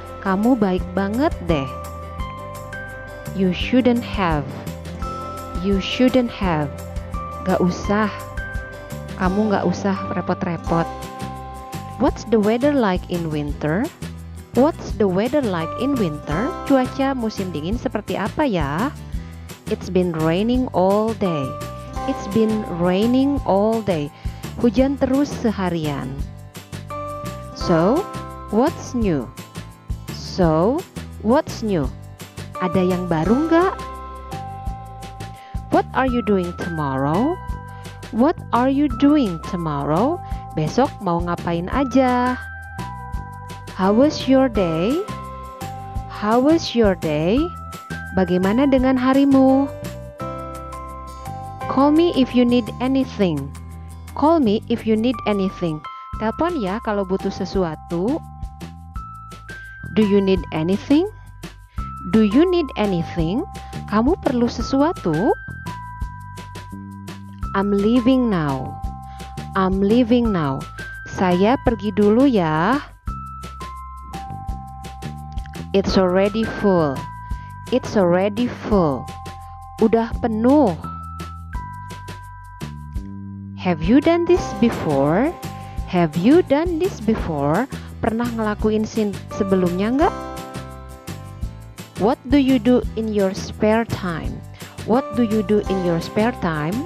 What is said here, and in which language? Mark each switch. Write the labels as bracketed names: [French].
[Indonesian] Kamu baik banget deh. [English] You shouldn't have. You shouldn't have. [Indonesian] Gak usah. Kamu gak usah repot-repot. [English] What's the weather like in winter? What's the weather like in winter? [Indonesian] Cuaca musim dingin seperti apa ya? [English] It's been raining all day. It's been raining all day. [Indonesian] Hujan terus seharian. [English] So, what's new? So, what's new? [Indonesian] Ada yang baru nggak? [English] What are you doing tomorrow? What are you doing tomorrow? [Indonesian] Besok mau ngapain aja? [English] How was your day? How was your day? [Indonesian] Bagaimana dengan harimu? [English] Call me if you need anything. Call me if you need anything. [Indonesian] Telepon ya kalau butuh sesuatu. [English] Do you need anything? Do you need anything? [Indonesian] Kamu perlu sesuatu? [English] I'm leaving now. I'm leaving now. [Indonesian] Saya pergi dulu ya. [English] It's already full. It's already full. [Indonesian] Udah penuh. [English] Have you done this before? Have you done this before? [Indonesian] Pernah ngelakuin sebelumnya enggak? [English] What do you do in your spare time? What do you do in your spare time?